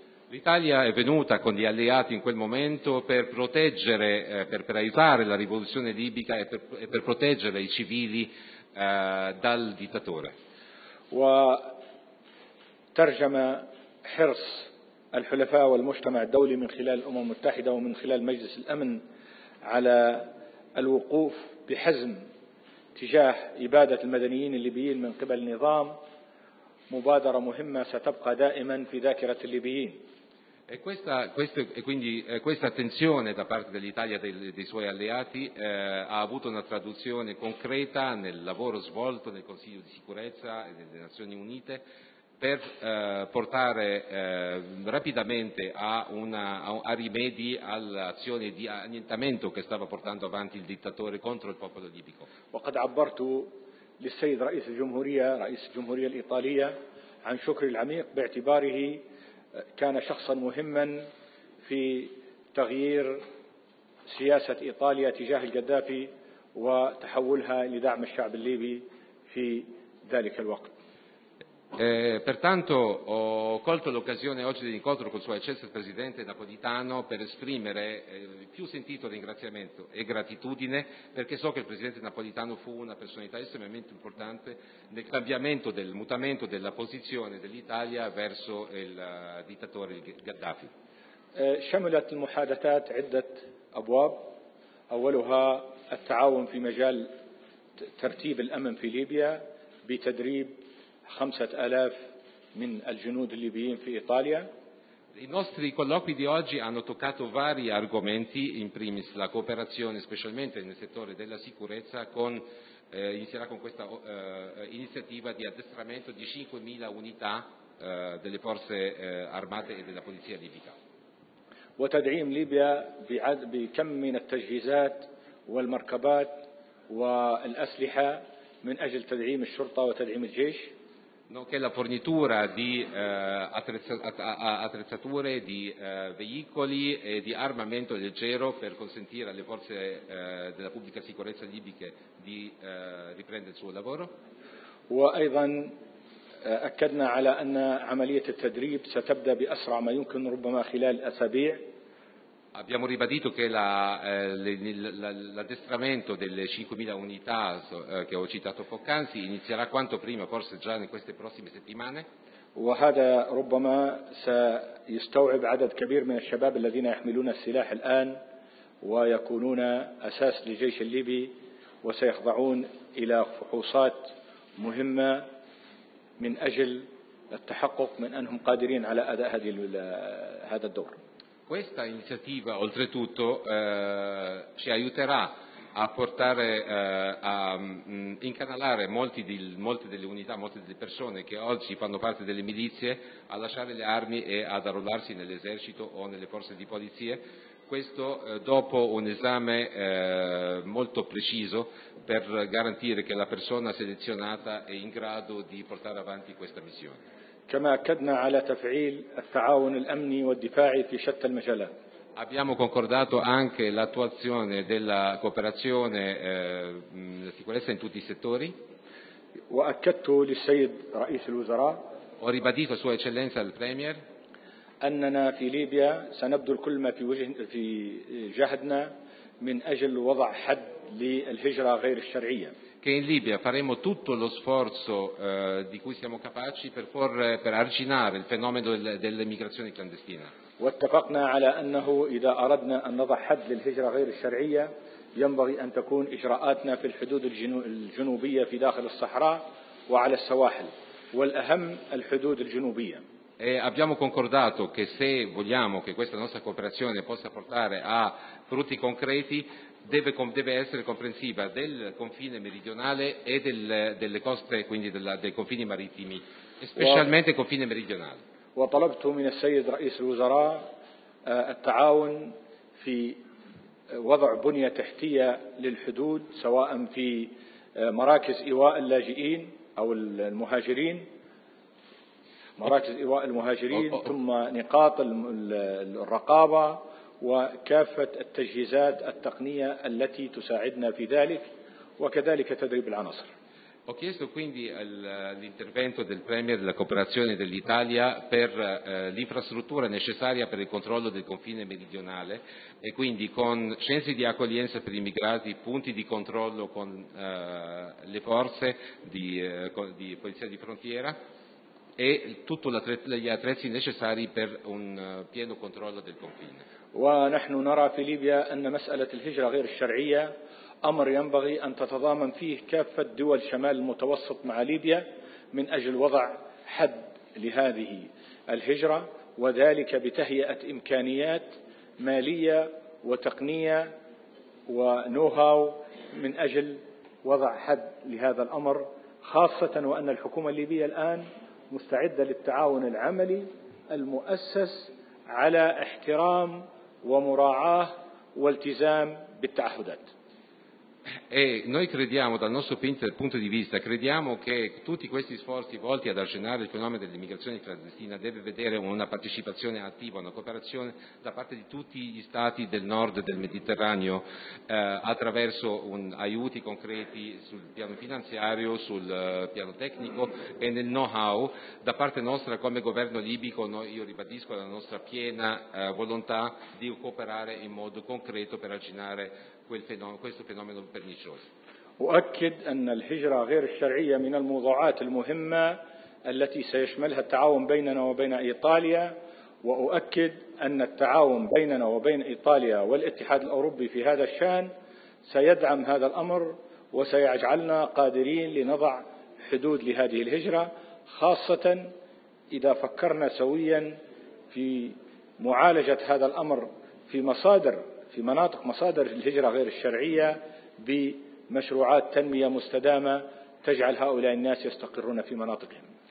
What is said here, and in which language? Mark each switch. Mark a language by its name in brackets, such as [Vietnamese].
[Italian] L'Italia è venuta con gli alleati in quel momento per proteggere, per aiutare la rivoluzione libica e per proteggere i civili dal dittatore. [Arabic] وترجم حرص الحلفاء والمجتمع الدولي من خلال الأمم المتحدة ومن خلال مجلس الأمن على الوقوف بحزم تجاه إبادة المدنيين الليبيين من قبل النظام. مبادرة مهمة ستبقى دائما في ذاكرة الليبيين. [Italian] E questa attenzione da parte dell'Italia dei suoi alleati ha avuto una traduzione concreta nel lavoro svolto nel Consiglio di sicurezza e delle Nazioni Unite per portare rapidamente a rimedi all'azione di annientamento che stava portando avanti il dittatore contro il popolo libico. [Arabic] وقد عبرت للسيد رئيس الجمهورية الإيطالية عن شكري العميق باعتباره كان شخصا مهما في تغيير سياسة إيطاليا تجاه القذافي وتحولها لدعم الشعب الليبي في ذلك الوقت. [Italian] Pertanto ho colto l'occasione oggi dell'incontro con Sua Eccellenza il Presidente Napolitano per esprimere il più sentito ringraziamento e gratitudine, perché so che il Presidente Napolitano fu una personalità estremamente importante nel cambiamento, del mutamento della posizione dell'Italia verso il dittatore Gaddafi. [Arabic] شملت المحادثات عدة أبواب، أولها التعاون في مجال ترتيب الأمن في ليبيا بتدريب 5,000 من الجنود الليبيين في إيطاليا. [Italian] I nostri colloqui di oggi hanno toccato vari argomenti, in primis la cooperazione specialmente nel settore della sicurezza inizierà con questa iniziativa di addestramento di 5,000 unità delle forze armate e della polizia libica. [Arabic] وتدعيم ليبيا بكم من التجهيزات والمركبات والأسلحة من أجل تدعيم الشرطة وتدعيم الجيش. [Italian] Nonché la fornitura di attrezzature, di veicoli e di armamento leggero per consentire alle forze della pubblica sicurezza libiche di riprendere il suo lavoro. [Arabic] وأيضا أكدنا على أن عملية التدريب ستبدأ بأسرع ما يمكن ربما خلال أسابيع. [Italian] Abbiamo ribadito che l'addestramento delle 5.000 unità che ho citato poc'anzi inizierà quanto prima, forse già in queste prossime settimane. [Arabic] وهذا ربما سيستوعب عدد كبير من الشباب الذين يحملون السلاح الآن ويكونون أساس لجيش الليبي وسيخضعون إلى فحوصات مهمة من أجل التحقق من أنهم قادرين على أداء هذا الدور. [Italian] Questa iniziativa oltretutto ci aiuterà a portare a incanalare molte delle unità, molte delle persone che oggi fanno parte delle milizie a lasciare le armi e ad arruolarsi nell'esercito o nelle forze di polizia. Questo dopo un esame molto preciso per garantire che la persona selezionata è in grado di portare avanti questa missione. [Arabic] كما أكدنا على تفعيل التعاون الأمني والدفاعي في شتى المجالات. [Italian] Abbiamo concordato anche l'attuazione della cooperazione sicurezza in tutti i settori. [Arabic] وأكدت للسيد رئيس الوزراء. [Italian] Ho ribadito a sua eccellenza il premier. [Arabic] أننا في ليبيا سنبذل كل ما في جهدنا من أجل وضع حد للهجرة غير الشرعية. [Italian] Che in Libia faremo tutto lo sforzo di cui siamo capaci per arginare il fenomeno dell'immigrazione clandestina. [Arabic] واتفقنا على أنه إذا أردنا أن نضع حد للهجرة غير الشرعية ينبغي أن تكون إجراءاتنا في الحدود الجنوبية في داخل الصحراء وعلى السواحل والأهم الحدود الجنوبية. [Italian] E abbiamo concordato che se vogliamo che questa nostra cooperazione possa portare a frutti concreti deve essere comprensiva del confine meridionale e delle coste, quindi dei confini marittimi, specialmente il confine meridionale. [Arabic] وطلبت من السيد رئيس الوزراء التعاون في وضع بنية تحتية للحدود سواء في مراكز إيواء اللاجئين أو المهاجرين مراكز إيواء المهاجرين ثم نقاط الرقابة وكافة التجهيزات التقنية التي تساعدنا في ذلك وكذلك تدريب العناصر. [Italian] Ho chiesto quindi l'intervento del Premier, la cooperazione dell'Italia per l'infrastruttura necessaria per il controllo del confine meridionale e quindi con centri di accoglienza per i migrati, punti di controllo con le forze di polizia di frontiera e tutti gli attrezzi necessari per un pieno controllo del confine. [Arabic] ونحن نرى في ليبيا أن مسألة الهجرة غير الشرعية أمر ينبغي أن تتضامن فيه كافة دول شمال المتوسط مع ليبيا من أجل وضع حد لهذه الهجرة وذلك بتهيئة إمكانيات مالية وتقنية ونوهاو من أجل وضع حد لهذا الأمر خاصة وأن الحكومة الليبية الآن مستعدة للتعاون العملي المؤسس على احترام ومراعاة والتزام بالتعهدات. [Italian] E noi crediamo, dal nostro punto di vista, crediamo che tutti questi sforzi volti ad arginare il fenomeno dell'immigrazione clandestina deve vedere una partecipazione attiva, una cooperazione da parte di tutti gli stati del nord del Mediterraneo attraverso aiuti concreti sul piano finanziario, sul piano tecnico e nel know-how. Da parte nostra come governo libico io ribadisco la nostra piena volontà di cooperare in modo concreto per arginare questo fenomeno pernicioso. [Arabic] أؤكد أن الهجرة غير الشرعية من الموضوعات المهمة التي سيشملها التعاون بيننا وبين إيطاليا وأؤكد أن التعاون بيننا وبين إيطاليا والاتحاد الأوروبي في هذا الشأن سيدعم هذا الأمر وسيجعلنا قادرين لنضع حدود لهذه الهجرة خاصة إذا فكرنا سويا في معالجة هذا الأمر في مناطق مصادر الهجرة غير الشرعية بمشروعات تنمية مستدامة تجعل هؤلاء الناس يستقرون في مناطقهم.